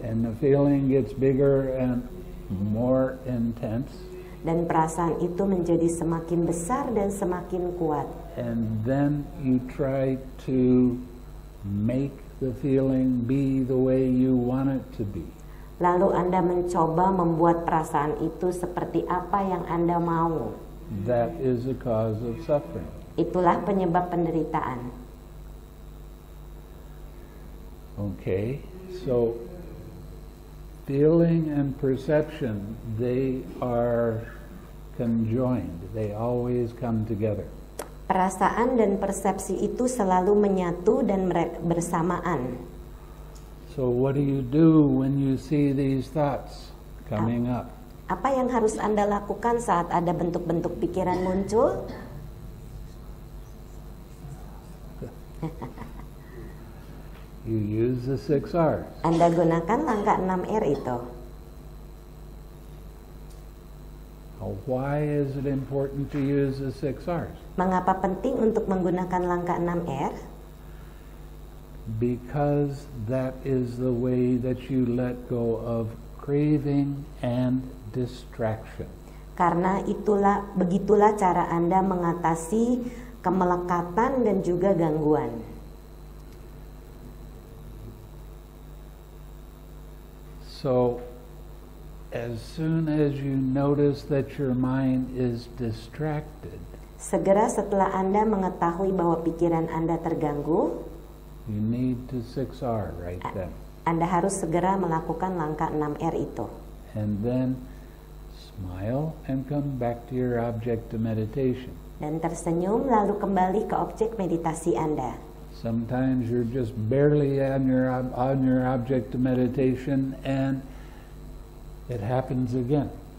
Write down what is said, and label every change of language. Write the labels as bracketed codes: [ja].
[en] And the feeling gets bigger and more intense. [id] dan perasaan itu menjadi semakin besar dan semakin kuat. [en] And then you try to make the feeling be the way you want it to be. [id] Lalu Anda mencoba membuat perasaan itu seperti apa yang Anda mau. [en] That is the cause of suffering. [id] Itulah penyebab penderitaan. [en] Okay, so feeling and perception, they are conjoined. They always come together. [id] Perasaan dan persepsi itu selalu menyatu dan bersamaan. [en] So what do you do when you see these thoughts coming up? [id] Apa yang harus Anda lakukan saat ada bentuk-bentuk pikiran muncul? [en] You use the 6 R's. [id] Anda gunakan langkah 6 R itu. [en] Why is it important to use the 6 R's? [id] Mengapa penting untuk menggunakan langkah 6 R? [en] Because that is the way that you let go of craving and distraction. [id] Karena itulah, begitulah cara Anda mengatasi kemelekatan dan juga gangguan. [en] So, as soon as you notice that your mind is distracted, [id] segera setelah Anda mengetahui bahwa pikiran Anda terganggu, [en] you need to 6 R right then. [id] Anda harus segera melakukan langkah 6 R itu. [en] And then smile and come back to your object of meditation. [id] Dan tersenyum lalu kembali ke objek meditasi Anda. [en] Sometimes you're just barely on your object of meditation and it happens again.